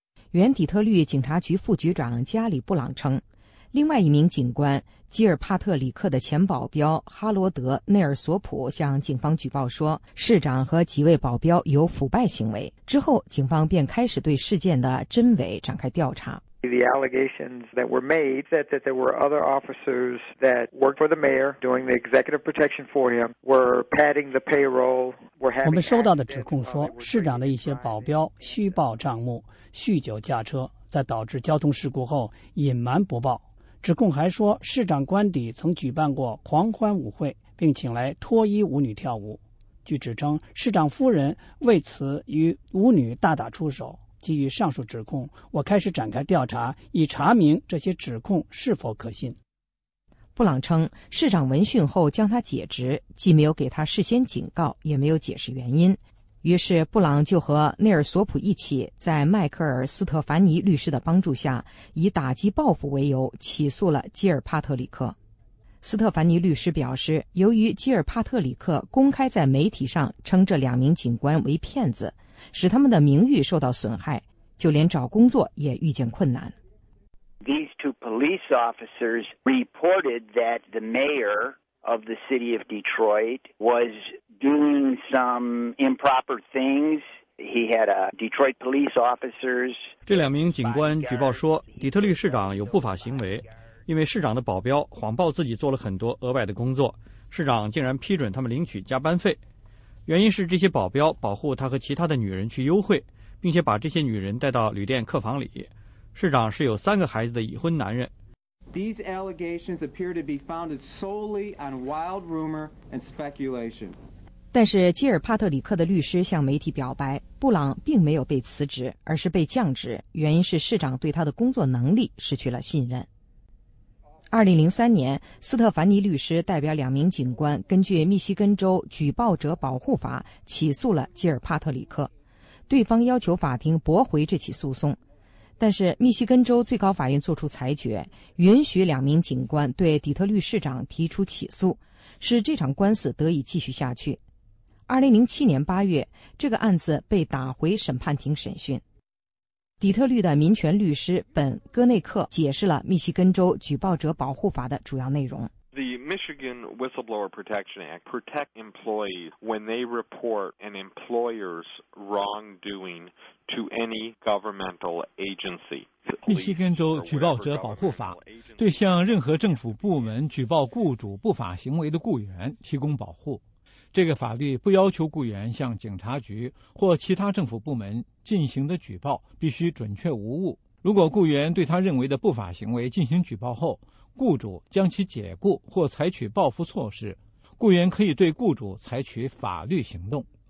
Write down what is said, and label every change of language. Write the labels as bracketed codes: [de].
[zh] 原底特律警察局副局长加里·布朗称，另外一名警官基尔帕特里克的前保镖哈罗德·内尔索普向警方举报说，市长和几位保镖有腐败行为。之后，警方便开始对事件的真伪展开调查。 [en] The allegations that were made that there were other officers that worked for the mayor doing the executive protection for him were padding the payroll. [zh] 我们收到的指控说，市长的一些保镖虚报账目、酗酒驾车，在导致交通事故后隐瞒不报。指控还说，市长官邸曾举办过狂欢舞会，并请来脱衣舞女跳舞。据指称，市长夫人为此与舞女大打出手。基于上述指控，我开始展开调查，以查明这些指控是否可信。布朗称，市长闻讯后将他解职，既没有给他事先警告，也没有解释原因。于是布朗就和内尔索普一起，在迈克尔·斯特凡尼律师的帮助下，以打击报复为由起诉了基尔帕特里克。斯特凡尼律师表示，由于基尔帕特里克公开在媒体上称这两名警官为骗子，使他们的名誉受到损害，就连找工作也遇见困难。 [en] These two police officers reported that the mayor of the city of Detroit was doing some improper things. He had a Detroit police officers. [zh] 这两名警官举报说，底特律市长有不法行为，因为市长的保镖谎报自己做了很多额外的工作，市长竟然批准他们领取加班费。原因是这些保镖保护他和其他的女人去幽会，并且把这些女人带到旅店客房里。市长是有3个孩子的已婚男人。 [en] These allegations appear to be founded solely on wild rumor and speculation. [zh] 但是基尔帕特里克的律师向媒体表白，布朗并没有被辞职，而是被降职，原因是市长对他的工作能力失去了信任。 2003年，斯特凡尼律师代表两名警官，根据密西根州举报者保护法起诉了基尔帕特里克，对方要求法庭驳回这起诉讼。但是密西根州最高法院作出裁决，允许两名警官对底特律市长提出起诉，使这场官司得以继续下去。 2007年8月，这个案子被打回审判庭审讯。底特律的民权律师本·戈内克解释了密西根州举报者保护法的主要内容。 [en] The Michigan Whistleblower Protection Act protect employees when they report an employer's wrongdoing to any governmental agency. [zh] 密西根州举报者保护法对向任何政府部门举报雇主不法行为的雇员提供保护。这个法律不要求雇员向警察局或其他政府部门进行的举报必须准确无误。如果雇员对他认为的不法行为进行举报后，雇主将其解雇或采取报复措施，雇员可以对雇主采取法律行动。